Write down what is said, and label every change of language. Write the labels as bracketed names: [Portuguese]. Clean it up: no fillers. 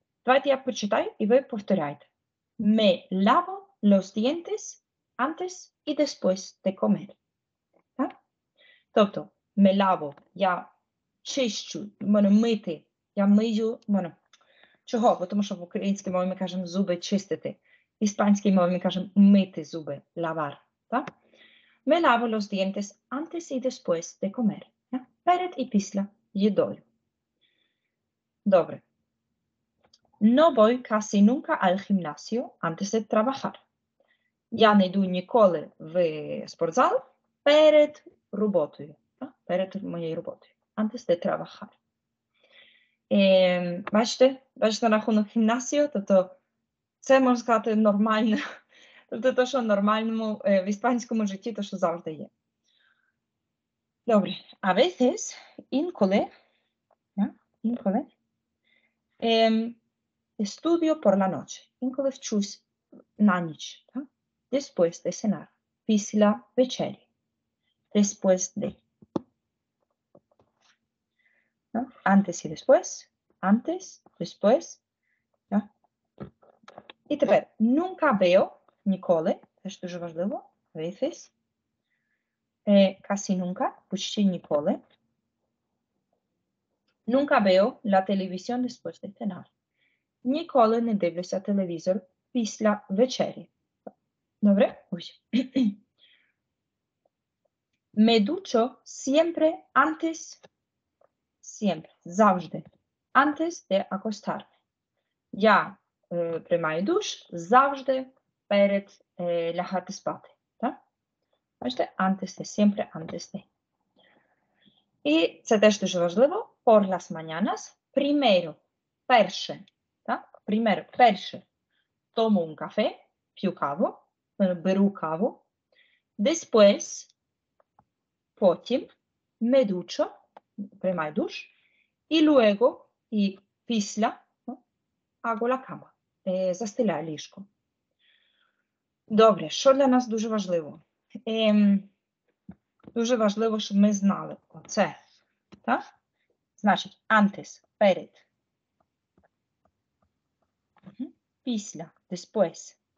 [Ukrainian] Давайте я почитаю і ви повторяйте. [Spanish] Me lavo los dientes antes y después de comer. [Ukrainian] Так? Тобто, [Spanish] me lavo, [Ukrainian] я чищу, мене мити. Я мию, ну, чого? Бо тому що в українській мові ми кажемо зуби чистити. В іспанській мові ми кажемо мити зуби, lavar, так? [Spanish] Me lavo los dientes antes y después de comer, ¿ya? [Ukrainian] Перед і після їдою. Добре. [Spanish] No voy casi nunca al gimnasio antes de trabajar. [Ukrainian] Я не йду ніколи в спортзал перед роботою, так? Перед моєю роботою, [Spanish] antes de trabajar. [Ukrainian] Бачите, на рахунок гімнасію, тобто це, можна сказати, нормальне, тобто те, то, що в нормальному, в іспанському житті, то, що завжди є. Добре, [Spanish] a veces, [Ukrainian] інколи, yeah, інколи, [Spanish] estudio por la noche, [Ukrainian] інколи вчусь на ніч, yeah? [Spanish] Después de cenar, [Ukrainian] після вечері, [Spanish] después de, no? Antes y después. Antes, después, ¿no? [Ukrainian] І тепер, [Spanish] nunca veo, [Ukrainian] ніколи, теж дуже важливо, [Spanish] a veces, casi nunca, [Ukrainian] почти ніколи, [Spanish] Nunca veo la televisión después de cenar. [Ukrainian] Ніколи не дивлюся телевізор після вечері. Добре? [Spanish] Me ducho siempre antes, siempre, [Ukrainian] завжди, [Spanish] antes de acostarme. [Ukrainian] Я приймаю душ завжди перед лягати спати. [Spanish] Бачите, antes de, siempre antes de. [Ukrainian] І це теж дуже важливо. [Spanish] Por las mañanas, primero, [Ukrainian] перше. Так? Primero, перше. [Spanish] Tomo un café, [Ukrainian] п'ю каву, беру каву. Después, потім, [Spanish] me ducho, [Ukrainian] приймаю душ. І [Spanish] luego, [Ukrainian] і після, no? [Spanish] Hago la cama, застеляю ліжко. [Ukrainian] Добре, що для нас дуже важливо? Дуже важливо, щоб ми знали оце. Так? Значить, antes, перед. Після, [Spanish] después.